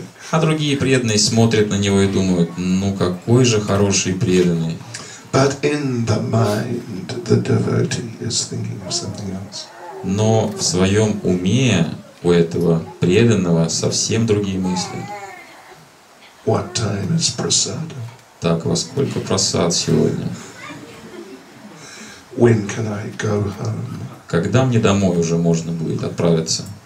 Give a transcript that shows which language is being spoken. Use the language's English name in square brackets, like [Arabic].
[Russian] А другие преданные смотрят на него и думают, ну какой же хороший преданный. [English] But in the mind, the devotee is thinking of something else. [Russian] Но в своем уме у этого преданного совсем другие мысли. [English] What time is prasada? [Russian] Так, во сколько прасад сегодня? [English] When can I go home? [Russian] Когда мне домой уже можно будет отправиться?